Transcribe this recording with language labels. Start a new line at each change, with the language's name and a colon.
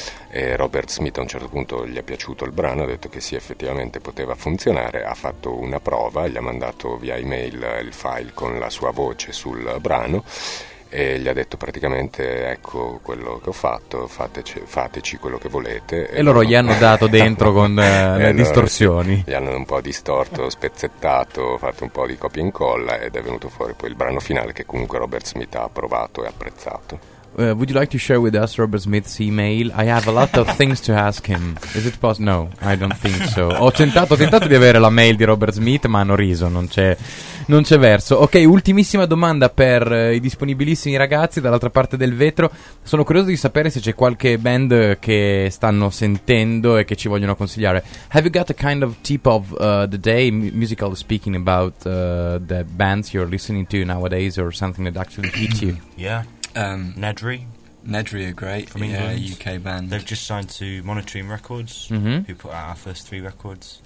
Italian: e Robert Smith a un certo punto gli è piaciuto il brano, ha detto che sì, effettivamente poteva funzionare, ha fatto una prova, gli ha mandato via email il file con la sua voce sul brano e gli ha detto praticamente: ecco quello che ho fatto, fateci quello che volete. E loro gli hanno dato dentro con le distorsioni. Gli hanno un po' distorto, spezzettato, fatto un po' di copia e incolla ed è venuto fuori poi il brano finale che comunque Robert Smith ha approvato e apprezzato.
English: Would you like to share with us Robert Smith's email? I have a lot of things to ask him. Is it possible? No, I don't think so.
Italian: Ho tentato di avere la mail di Robert Smith, ma hanno riso, non c'è verso. Ok, ultimissima domanda per i disponibilissimi ragazzi dall'altra parte del vetro. Sono curioso di sapere se c'è qualche band che stanno sentendo e che ci vogliono consigliare.
English: Have you got a kind of tip of the day, musical speaking, about the bands you're listening to nowadays or something that actually hits you? Yeah. Nedry. Nedry are great. From England. Yeah, UK band. They've just signed to Monotreme Records, who put out our first three records.